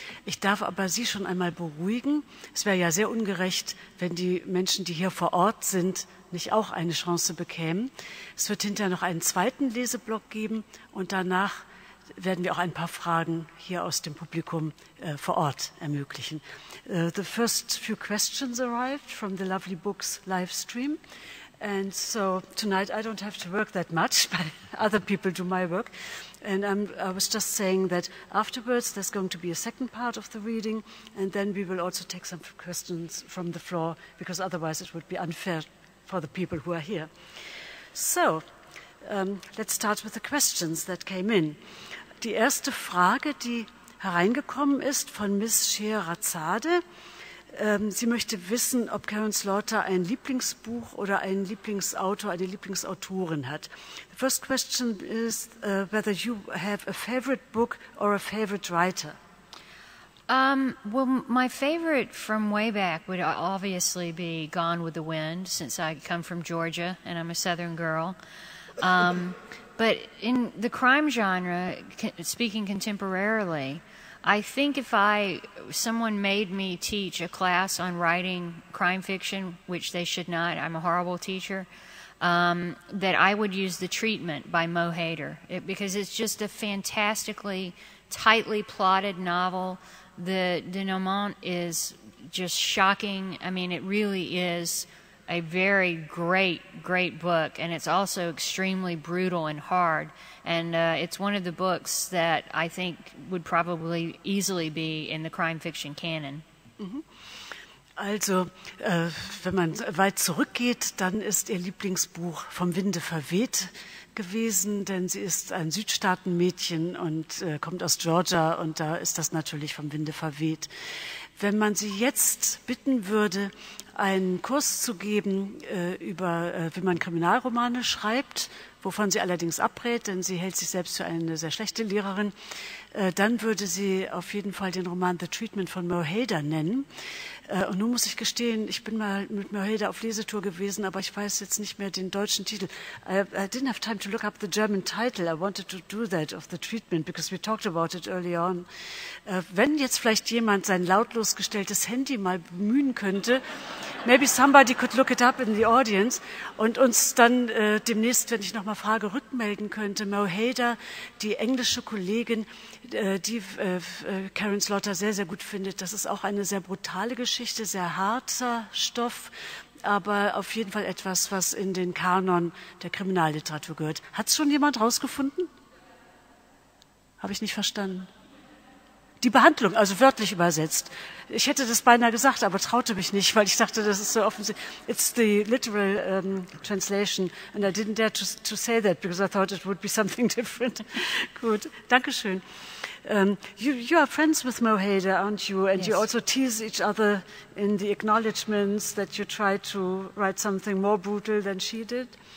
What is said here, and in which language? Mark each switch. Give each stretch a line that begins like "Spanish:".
German: Ich darf aber Sie schon einmal beruhigen. Es wäre ja sehr ungerecht, wenn die Menschen, die hier vor Ort sind, nicht auch eine Chance bekämen. Es wird hinterher noch einen zweiten Leseblock geben und danach werden wir auch ein paar Fragen hier aus dem Publikum vor Ort ermöglichen.
English: The first few questions arrived from the Lovely Books live stream. And so tonight I don't have to work that much, but other people do my work. And I was just saying that afterwards there's going to be a second part of the reading, and then we will also take some questions from the floor, because otherwise it would be unfair for the people who are here. So, let's start with the questions that came in.
German: Die erste Frage, die hereingekommen ist von Miss Scheherazade. Sie möchte wissen, ob Karen Slaughter ein Lieblingsbuch oder einen Lieblingsautor, eine Lieblingsautorin hat.
English: The first question is whether you have a favorite book or a favorite writer. Well, my favorite from way back would obviously be Gone with the Wind, since I come from Georgia and I'm a Southern girl. But in the crime genre, speaking contemporarily, I think if someone made me teach a class on writing crime fiction, which they should not, I'm a horrible teacher, that I would use The Treatment by Mo Hayder, because it's just a fantastically tightly plotted novel. The denouement is just shocking. I mean, it really is a very great, great book, and it's also extremely brutal and hard. And it's one of the books that I think would probably easily be in the crime fiction canon.
German: Also, wenn man weit zurückgeht, dann ist ihr Lieblingsbuch Vom Winde verweht gewesen, denn sie ist ein Südstaatenmädchen und kommt aus Georgia, und da ist das natürlich Vom Winde verweht. Wenn man sie jetzt bitten würde, einen Kurs zu geben über, wie man Kriminalromane schreibt, wovon sie allerdings abrät, denn sie hält sich selbst für eine sehr schlechte Lehrerin, dann würde sie auf jeden Fall den Roman The Treatment von Mo Hayder nennen. Und nun muss ich gestehen, ich bin mal mit Mörhilde auf Lesetour gewesen, aber ich weiß jetzt nicht mehr den deutschen Titel.
English: I didn't have time to look up the German title. I wanted to do that of the treatment, because we talked about it early on.
German: Wenn jetzt vielleicht jemand sein lautlos gestelltes Handy mal bemühen könnte,
English: maybe somebody could look it up in the audience
German: und uns dann demnächst, wenn ich nochmal frage, rückmelden könnte. Mörhilde, die englische Kollegin, die Karen Slaughter sehr, sehr gut findet. Das ist auch eine sehr brutale Geschichte, sehr harter Stoff, aber auf jeden Fall etwas, was in den Kanon der Kriminalliteratur gehört. Hat es schon jemand rausgefunden? Habe ich nicht verstanden. Die Behandlung, also wörtlich übersetzt. Ich hätte das beinahe gesagt, aber traute mich nicht, weil ich dachte, das ist so offensichtlich.
English: It's the literal translation and I didn't dare to say that because I thought it would be something different.
German: Gut, Dankeschön.
English: You are friends with Mörhilde, aren't you? And yes. You also tease each other in the acknowledgements that you try to write something more brutal than she did?